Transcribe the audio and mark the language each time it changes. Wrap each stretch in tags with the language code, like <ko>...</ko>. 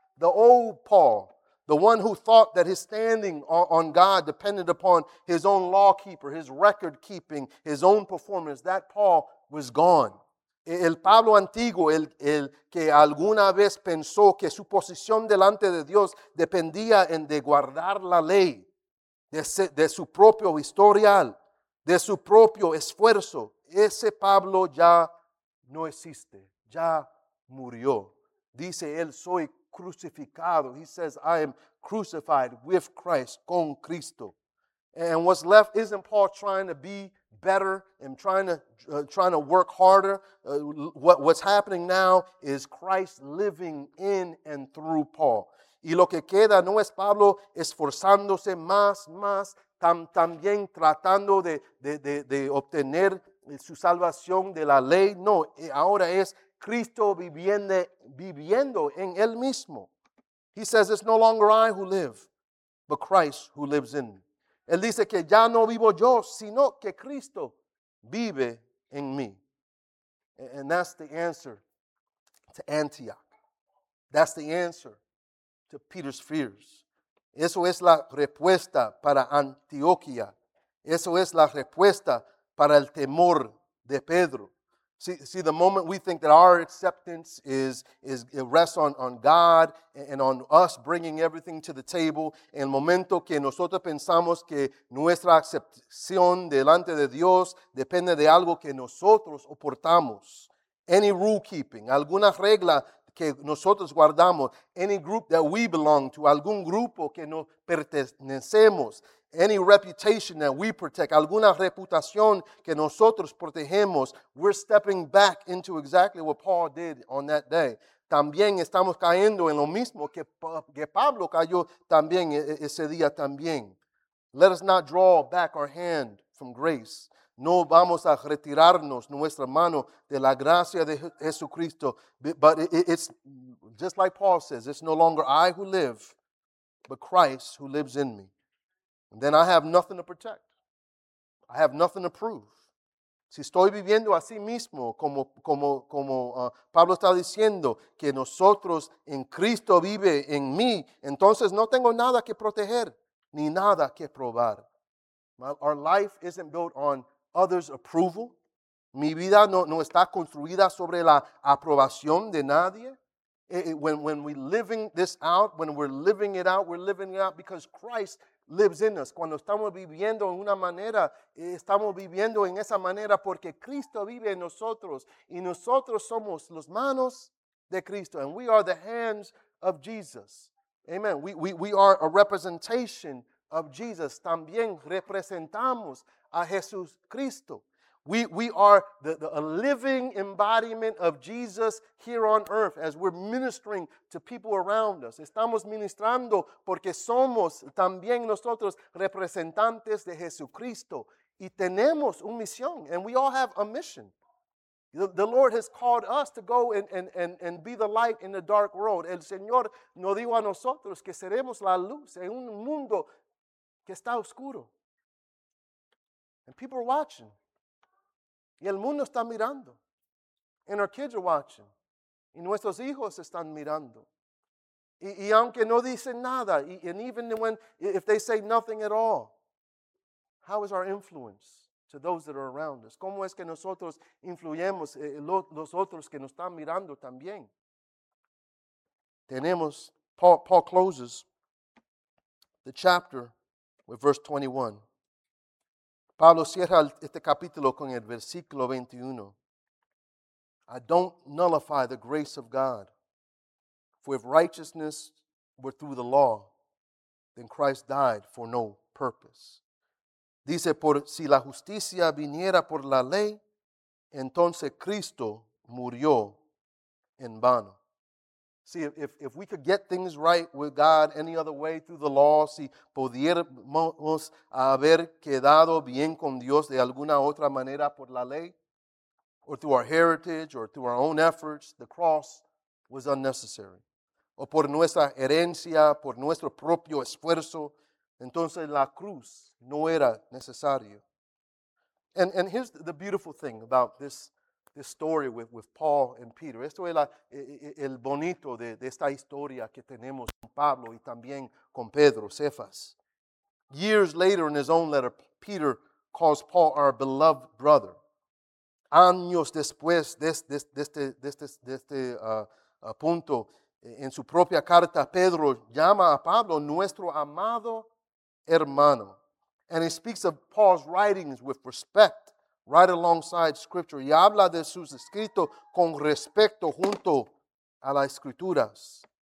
<en>The old Paul, the one who thought that his standing on God depended upon his own law keeper, his record keeping, his own performance, that Paul was gone.</en> <es>El Pablo antiguo, el que alguna vez pensó que su posición delante de Dios dependía en de guardar la ley, de su propio historial, de su propio esfuerzo, ese Pablo ya no existe, ya murió. Dice él, soy crucificado.</es> <en>He says, I am crucified with Christ,</en> <es>con Cristo.</es> <en>And what's left isn't Paul trying to be better. I'm trying to work harder. What's happening now is Christ living in and through Paul.</en> <es>Y lo que queda no es Pablo esforzándose más, también tratando de obtener su salvación de la ley. No, ahora es Cristo viviendo en él mismo.</es> <en>He says, it's no longer I who live, but Christ who lives in me.</en> <es>Él dice que ya no vivo yo, sino que Cristo vive en mí.</es> <en>And that's the answer to Antioch. That's the answer to Peter's fears.</en> <es>Eso es la respuesta para Antioquía. Eso es la respuesta para el temor de Pedro.</es> <en>See, the moment we think that our acceptance is it rests on God and on us bringing everything to the table,</en> <es>el momento que nosotros pensamos que nuestra acepción delante de Dios depende de algo que nosotros aportamos,</es> <en>any rule keeping,</en> <es>alguna regla que nosotros guardamos,</es> <en>any group that we belong to,</en> <es>algún grupo que nos pertenecemos,</es> <en>any reputation that we protect,</en> <es>alguna reputación que nosotros protegemos,</es> <en>we're stepping back into exactly what Paul did on that day.</en> <es>También estamos cayendo en lo mismo que Pablo cayó también ese día también.</es> <en>Let us not draw back our hand from grace.</en> <es>No vamos a retirarnos nuestra mano de la gracia de Jesucristo.</es> <en>But it's just like Paul says, it's no longer I who live, but Christ who lives in me. And then I have nothing to protect. I have nothing to prove.</en> <es>Si estoy viviendo a sí mismo, como Pablo está diciendo, que nosotros en Cristo vive en mí, entonces no tengo nada que proteger, ni nada que probar.</es> <en>Our life isn't built on others' approval.</en> <es>Mi vida no está construida sobre la aprobación de nadie.</es> <en>When we're living this out, when we're living it out, we're living it out because Christ lives in us.</en> <es>Cuando estamos viviendo en una manera, estamos viviendo en esa manera porque Cristo vive en nosotros. Y nosotros somos los manos de Cristo.</es> <en>And we are the hands of Jesus. Amen. We are a representation of Jesus.</en> <es>También representamos a Jesús Cristo.</es> <en>We are a living embodiment of Jesus here on earth as we're ministering to people around us.</en> <es>Estamos ministrando porque somos también nosotros representantes de Jesucristo. Y tenemos una misión,</es> <en>and we all have a mission. The Lord has called us to go and be the light in the dark world.</en> <es>El Señor nos dijo a nosotros que seremos la luz en un mundo que está oscuro.</es> <en>And people are watching.</en> <es>Y el mundo está mirando.</es> <en>And our kids are watching.</en> <es>Y nuestros hijos están mirando. Y aunque no dicen nada,</es> <en>and even when, if they say nothing at all, how is our influence to those that are around us?</en> <es>¿Cómo es que nosotros influyemos los otros que nos están mirando también? Tenemos,</es> <en>Paul closes the chapter with verse 21.</en> <es>Pablo cierra este capítulo con el versículo 21.</es> <en>I don't nullify the grace of God. For if righteousness were through the law, then Christ died for no purpose.</en> <es>Dice, por si la justicia viniera por la ley, entonces Cristo murió en vano.</es> <en>See, if we could get things right with God any other way through the law,</en> <es>si pudiéramos haber quedado bien con Dios de alguna otra manera por la ley,</es> <en>or through our heritage, or through our own efforts, the cross was unnecessary.</en> <es>O por nuestra herencia, por nuestro propio esfuerzo, entonces la cruz no era necesario.</es> <en>And here's the beautiful thing about this story with Paul and Peter.</en> <es>Esto es el bonito de esta historia que tenemos con Pablo y también con Pedro, Cephas.</es> <en>Years later, in his own letter, Peter calls Paul our beloved brother.</en> <es>Años después de este punto, en su propia carta, Pedro llama a Pablo nuestro amado hermano.</es> <en>And he speaks of Paul's writings with respect. Right alongside Scripture.</en> <es>Y habla de sus escritos con respecto junto a las Escrituras.</es>